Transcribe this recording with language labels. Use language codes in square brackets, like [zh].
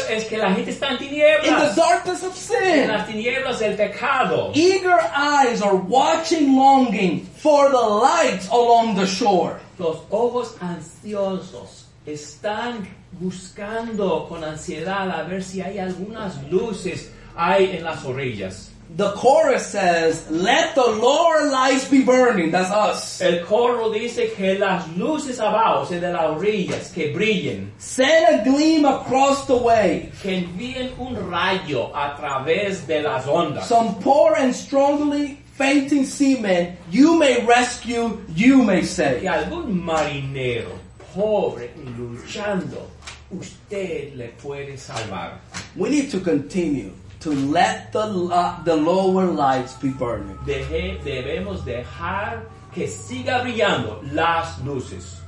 [es] Es que la gente está en tinieblas. [en] In the darkness of sin. [es] En las tinieblas del pecado. [en] Eager eyes are watching, longing for the lights along the shore. [es] Los ojos ansiosos están buscando con ansiedad a ver si hay algunas luces ahí en las orillas. [en] The chorus says, "Let the lower lights be burning." That's us. [es] El coro dice que las luces abajo, de las orillas, que brillen. [en] Send a gleam across the way. [es] Que envíen un rayo a través de las ondas. [en] Some poor and strongly fainting seamen, you may rescue, you may save. [es] Que algún marinero pobre y luchando, usted le puede salvar. [en] We need to continue to let the lower lights be burning. [es] Debemos dejar que siga brillando las luces.